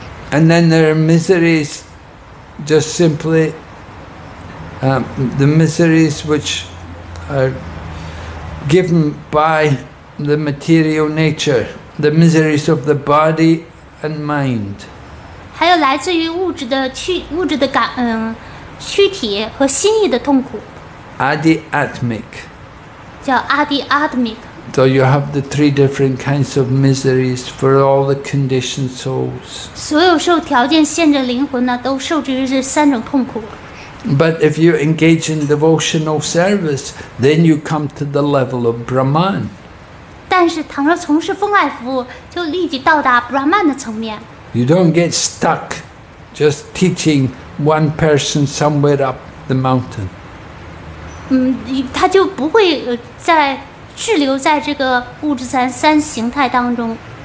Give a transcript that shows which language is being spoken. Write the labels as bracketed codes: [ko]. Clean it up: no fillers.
[en] And then there are miseries, just simply the miseries which are given by the material nature, the miseries of the body and mind. [zh] 还有来自于物质的躯体和心意的痛苦。 [en] Adi-atmic. [zh] 叫Adi-atmic. [en] So you have the three different kinds of miseries for all the conditioned souls. [zh] 所有受条件限制灵魂呢，都受制于这三种痛苦。 [en] But if you engage in devotional service, then you come to the level of Brahman. [zh] 但是倘若从事奉爱服务，就立即到达Brahman的层面。 [en] You don't get stuck just teaching one person somewhere up the mountain. [zh] 他就不会在滞留在这个物质三形态当中。